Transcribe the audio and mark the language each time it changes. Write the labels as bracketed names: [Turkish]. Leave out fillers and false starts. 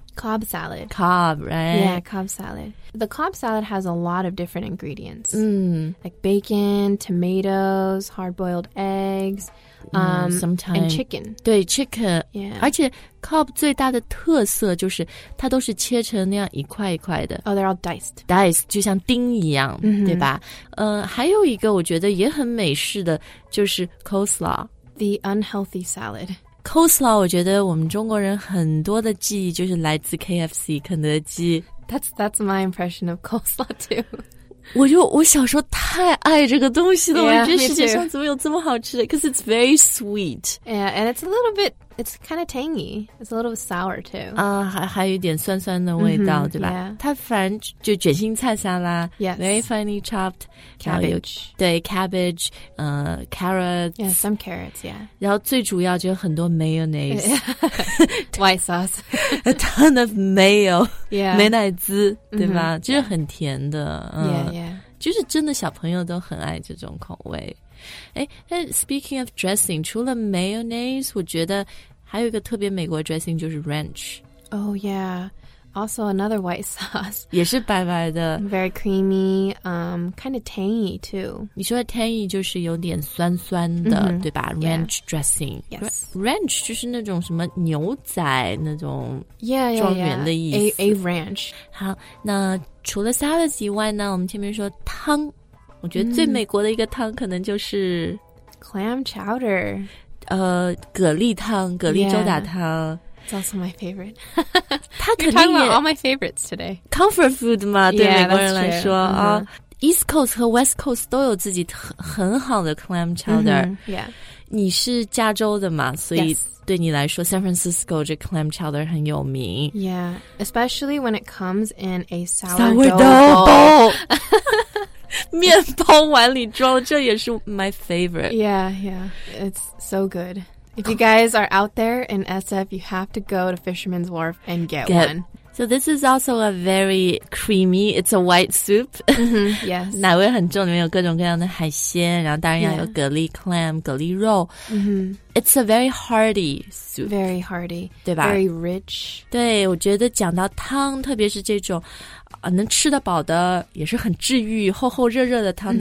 [English] Cobb salad. Cobb, right? Yeah, Cobb salad. The Cobb salad has a lot of different ingredients.、 Mm. Like bacon, tomatoes, hard-boiled eggs,、 sometimes. And chicken. 对, chicken. Yeah. [Chinese] 而且 Cobb 最大的特色就是它都是切成那样一块一块的。 [English] Oh, they're all diced. [Chinese] Diced, 就像丁一样、mm-hmm. 对吧、还有一个我觉得也很美式的就是 coleslaw。 [English] The unhealthy salad. [Chinese] Coleslaw, 我觉得我们中国人很多的记忆就是来自 KFC, 肯德基。 [English] That's my impression of coleslaw, too. [Chinese] 我小时候太爱这个东西了 [English] yeah, [Chinese] 我觉得世界上怎么有这么好吃的 [English] Because it's very sweet. Yeah, and it's a little bit, it's kind of tangy. It's a little bit sour, too. [Chinese] 还有一点酸酸的味道、mm-hmm, 对吧、 [English] yeah. [Chinese] 它反正就卷心菜沙拉 [English] Yes. Very finely chopped. Cabbage. [Chinese] 对 cabbage,、carrots. [English] Yeah, some carrots, yeah. [Chinese] 然后最主要就有很多 mayonnaise. [English] White sauce. A ton of mayo. Yeah. [Chinese] 美乃滋对吧、mm-hmm. 就是很甜的、 [English] Yeah, yeah. [Chinese] 就是真的小朋友都很爱这种口味。 [English] Speaking of dressing, [Chinese] 除了 mayonnaise, 我觉得还有一个特别美国 dressing 就是 ranch. [English] Oh, yeah. Also another white sauce. [Chinese] 也是白白的。 [English] Very creamy,、kind of tangy too. [Chinese] 你说的 tangy 就是有点酸酸的、mm-hmm. 对吧 ?ranch、 [English] yeah. dressing. Yes. [Chinese] Ranch 就是那种什么牛仔那种庄园的意思。 [English] Yeah, yeah, yeah. A ranch. [Chinese] 好那除了 salads 以外呢我们前面说汤我觉得最美国的一个汤可能就是 [English] Clam chowder [Chinese] 蛤蜊汤蛤蜊粥打汤、 [English] yeah. It's also my favorite [Chinese] 它肯定也 [English] You're talking about all my favorites today [Chinese] Comfort food 嘛对 [English] yeah, [Chinese] 美国人来说、 [English] uh-huh. [Chinese] East Coast 和 West Coast 都有自己很好的 clam chowder、 [English] mm-hmm. yeah. [Chinese] 你是加州的嘛所以对你来说 San Francisco 这 clam chowder 很有名 [English] Yeah, especially when it comes in a [Chinese] sourdough bowl 面包碗里装这也是 [English] my favorite Yeah, yeah, it's so good If you guys are out there in SF, you have to go to Fisherman's Wharf and get one So this is also a very creamy, it's a white soup mm-hmm, Yes [Chinese] 奶味很重里面有各种各样的海鲜然后当然要有蛤蜊 clam, 蛤蜊肉、 [English] mm-hmm. It's a very hearty soup Very hearty [Chinese] 对吧 [English] Very rich [Chinese] 对我觉得讲到汤特别是这种能吃得饱的也是很治愈厚厚热热的汤、mm-hmm.